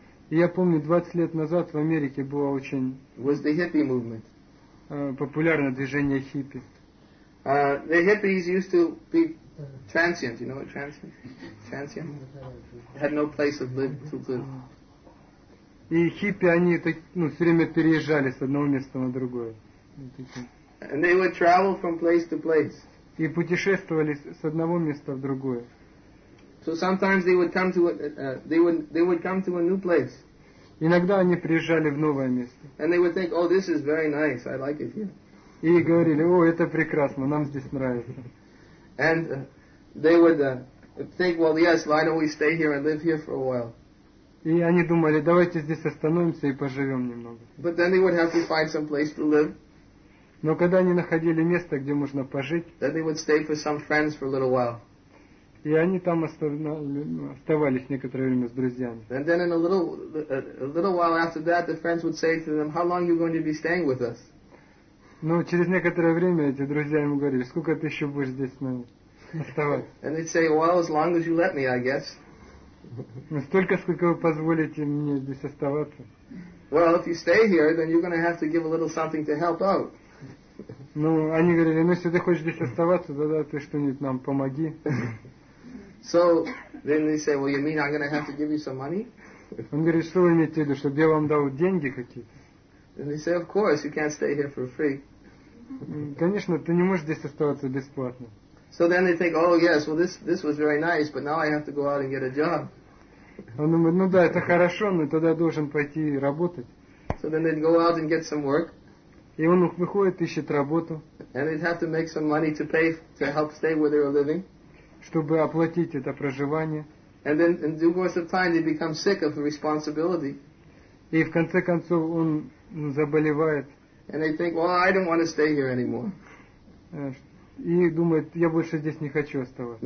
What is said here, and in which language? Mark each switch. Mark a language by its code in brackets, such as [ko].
[ru] Я помню, 20 лет назад в Америке было очень. [en] Was the hippie movement. [ru] Популярное движение хиппи. [en] The hippies used to be transient, you know what transient? Transient? Had no place of live to live. [ru] И хиппи, они так, все время переезжали с одного места на другое. [en] And they would travel from place to place. [ru] и путешествовали с одного места в другое. [en] So sometimes they would come to a new place. [ru] Иногда они приезжали в новое место. [en] And they would think, oh, this is very nice. I like it here. [ru] И говорили, о, это прекрасно, нам здесь нравится. [en] And they would think, well, yes, why don't we stay here and live here for a while? [ru] И они думали, давайте здесь остановимся и поживем немного. [en] But then they would have to find some place to live. [ru] Но когда они находили место, где можно пожить, [en] then they would stay for some friends for a little while. [ru] И они там оставались некоторое время с друзьями. [en] And then in a little while after that, the friends would say to them, how long are you going to be staying with us? [ru] Но через некоторое время эти друзья ему говорили, сколько ты еще будешь здесь с нами оставаться? [en] And they'd say, well, as long as you let me, I guess. [ru] Столько, сколько вы позволите мне здесь оставаться. [en] Well, if you stay here, then you're going to have to give a little something to help out. [ru] Ну, они говорили, ну, если ты хочешь здесь оставаться, тогда ты что-нибудь нам помоги. [en] So, then they say, well, you mean I'm going to have to give you some money? [ru] Он говорит, что вы имеете в виду, чтобы я вам дал деньги какие-то? [en] And they say, of course, you can't stay here for free. [ru] Конечно, ты не можешь здесь оставаться бесплатно. [en] So then they think, oh yes, well this was very nice, but now I have to go out and get a job. [ru] Он думает, ну да, это хорошо, но тогда я должен пойти работать. [en] So then they'd go out and get some work. [ru] И он выходит, ищет работу. [en] And they'd have to make some money to pay to help stay where they were living. [ru] Чтобы оплатить это проживание. [en] And then in due course of time they become sick of the responsibility. [ru] И в конце концов он заболевает. [en] And they think, well, I don't want to stay here anymore. [ru] И думает, я больше здесь не хочу оставаться.